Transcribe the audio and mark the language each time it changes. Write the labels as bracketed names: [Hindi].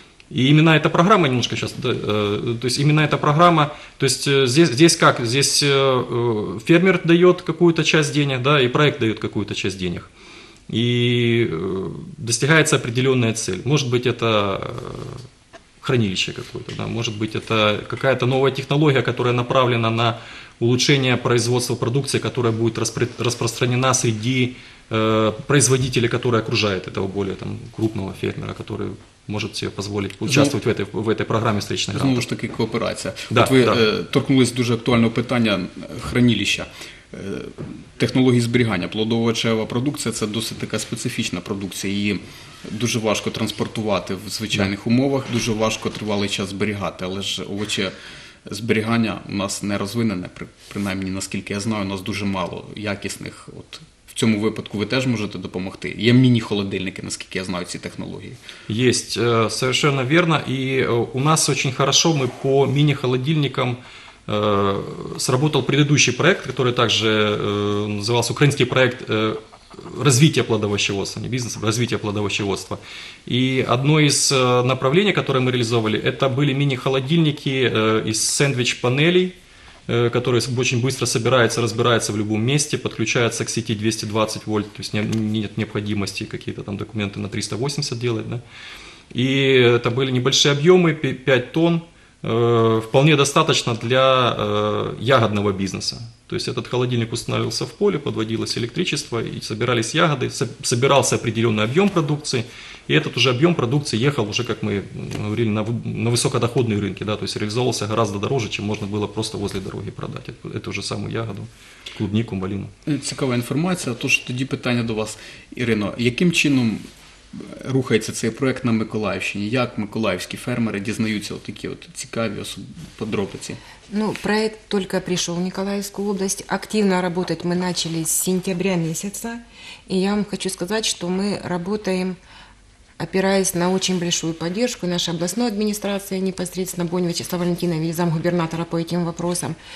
[Russian] И именно эта программа немножко сейчас, да, то есть именно эта программа, то есть здесь как, здесь фермер дает какую-то часть денег, да, и проект дает какую-то часть денег, и достигается определенная цель, может быть это хранилище какое-то, да, может быть это какая-то новая технология, которая направлена на улучшение производства продукции, которая будет распространена среди производителей, которые окружают этого более там, крупного фермера, который... Может себе позволить участвовать в этой программе встречных грантов. [Ukrainian] Знову ж таки, кооперація. Да, от ви торкнулись дуже актуального питання хранилища. Технології зберігання. Плодово-овочева продукція – це досить така специфічна продукція. Її дуже важко транспортувати в звичайних умовах, дуже важко тривалий час зберігати. Але ж овоче зберігання у нас не розвинене, принаймні, наскільки я знаю, у нас дуже мало якісних. От, в цьому випадку ви теж можете допомогти? Є міні-холодильники, наскільки я знаю, ці технології. Є, [Russian] совершенно верно. [Ukrainian] І у нас дуже добре, ми по міні-холодильникам [Russian] сработав предыдущий проект, [Ukrainian] який також називався український проект розвиття плодовощоводства, не бізнес, розвиття плодовощоводства. І одне із направлень, яке ми реалізовували, це були міні-холодильники із сендвіч-панелей, [Russian] которые очень быстро собираются, разбираются в любом месте, подключаются к сети 220 вольт, то есть нет необходимости какие-то там документы на 380 делать. Да? И это были небольшие объемы, 5 тонн, вполне достаточно для ягодного бизнеса. То есть этот холодильник устанавливался в поле, подводилось электричество, и собирались ягоды, собирался определенный объем продукции, и этот уже объем продукции ехал уже, как мы говорили, на высокодоходные рынки, да, то есть реализовывался гораздо дороже, чем можно было просто возле дороги продать эту же самую ягоду, клубнику, малину. [Ukrainian] Цікава інформація, то ж тоді питання до вас, Ірино, яким чином рухається цей проект на Миколаївщині? Як миколаївські фермери дізнаються такі от цікаві подробиці? [Russian] Ну, проект только пришел в Николаевскую область. Активно работать мы начали с сентября месяца. И я вам хочу сказать, что мы работаем опираясь на очень большую поддержку нашей областной администрации, непосредственно Бонева Вячеслава Валентиновича, замгубернатора по этим вопросам.